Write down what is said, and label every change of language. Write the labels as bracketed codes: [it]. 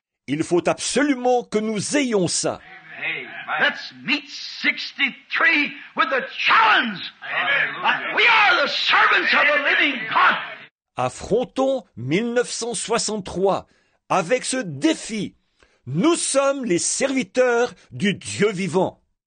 [fr] Il faut absolument que nous ayons ça. [en] Let's meet 63 with a challenge. We are the servants of the living God. [fr] Affrontons 1963 avec ce défi. Nous sommes les serviteurs du Dieu vivant.